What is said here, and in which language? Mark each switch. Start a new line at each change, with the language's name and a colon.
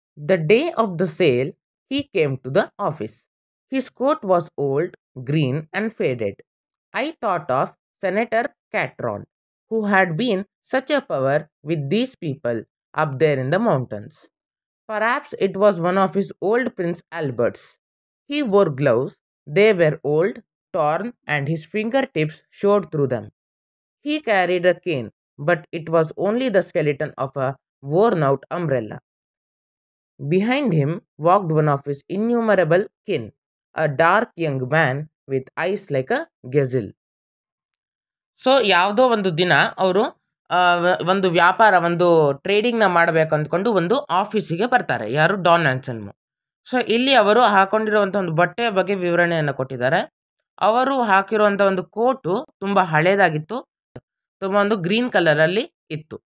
English: The day of the sale he came to the office. His coat was old, green and faded. I thought of senator Catron, who had been such a power with these people up there in the mountains. Perhaps it was one of his old Prince Albert's. He wore gloves. They were old, torn, and his fingertips showed through them. He carried a cane, but it was only the skeleton of a worn-out umbrella. Behind him walked one of his innumerable kin, a dark young man with eyes like a gazelle.
Kannada: So, yavdo vandu dina, avaru ಒಂದು ವ್ಯಾಪಾರ ಒಂದು ಟ್ರೇಡಿಂಗ್ನ ಮಾಡಬೇಕು ಅಂದ್ಕೊಂಡು ಒಂದು ಆಫೀಸಿಗೆ ಬರ್ತಾರೆ. ಯಾರು? Don Anselmo. So ಇಲ್ಲಿ ಅವರು ಹಾಕೊಂಡಿರುವಂಥ ಒಂದು ಬಟ್ಟೆಯ ಬಗ್ಗೆ ವಿವರಣೆಯನ್ನು ಕೊಟ್ಟಿದ್ದಾರೆ. ಅವರು ಹಾಕಿರುವಂಥ ಒಂದು ಕೋಟು ತುಂಬ ಹಳೇದಾಗಿತ್ತು, ತುಂಬ ಒಂದು ಗ್ರೀನ್ ಕಲರಲ್ಲಿ ಇತ್ತು.